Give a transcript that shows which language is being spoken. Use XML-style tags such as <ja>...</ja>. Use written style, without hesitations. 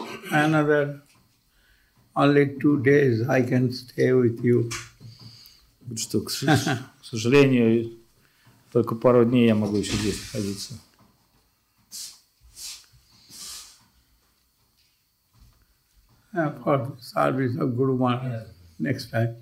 <en>Another only 2 days I can stay with you.</en> <ru>Будь что, к сожалению, только пару дней я могу еще здесь находиться.</ru> <en>For the service of Guru Maharaj next time.</en>